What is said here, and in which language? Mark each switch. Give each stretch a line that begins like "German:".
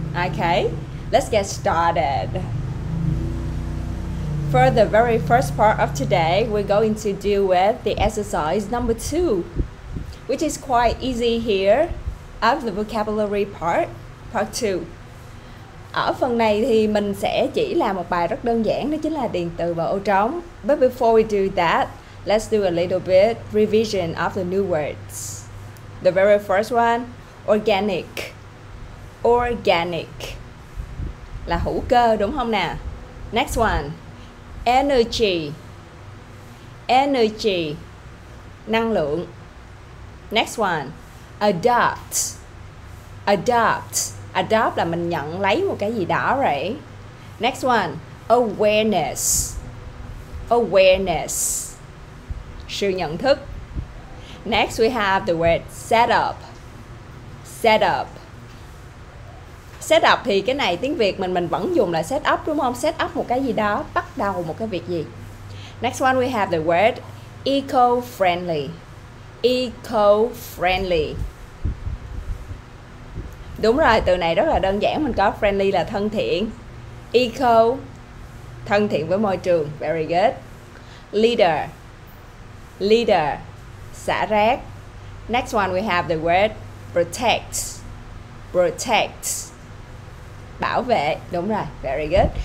English: Okay, let's get started. For the very first part of today, we're going to deal with the exercise number 2, which is quite easy here, of the vocabulary part 2.
Vietnamese: Ở phần này thì mình sẽ chỉ làm một bài rất đơn giản, đó chính là điền từ vào ô trống.
English: But before we do that, let's do a little bit revision of the new words. The very first one, organic.
Vietnamese: Organic là hữu cơ, đúng không nè?
English: Next one, energy. Energy, năng lượng. Next one, adopt. Adopt.
Vietnamese: Adopt là mình nhận lấy một cái gì đó, right?
English: Next one, awareness. Awareness, sự nhận thức. Next we have the word set up. Set up.
Vietnamese: Set up thì cái này tiếng Việt mình vẫn dùng là set up, đúng không? Set up một cái gì đó, bắt đầu một cái việc gì.
English: Next one we have the word eco-friendly. Eco-friendly.
Vietnamese: Đúng rồi, từ này rất là đơn giản, mình có friendly là thân thiện. Eco, thân thiện với môi trường,
English: very good.
Vietnamese: Leader, leader, xả rác.
English: Next one we have the word protect. Protect,
Vietnamese: bảo vệ, đúng rồi,
English: very good.